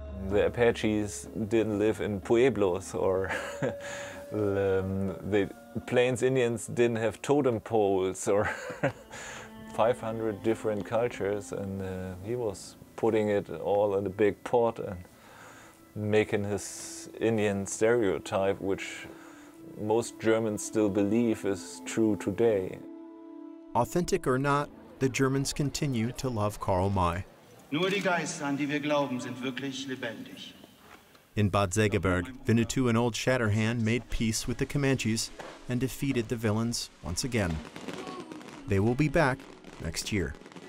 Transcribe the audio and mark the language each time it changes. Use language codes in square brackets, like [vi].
[en] The Apaches didn't live in pueblos, or the Plains Indians didn't have totem poles, or 500 different cultures, and he was putting it all in a big pot and making his Indian stereotype, which most Germans still believe is true today. Authentic or not, the Germans continue to love Karl May. [de] Nur die Geister, an die wir glauben, sind wirklich lebendig. [en] In Bad Segeberg, Winnetou and Old Shatterhand made peace with the Comanches and defeated the villains once again. They will be back next year.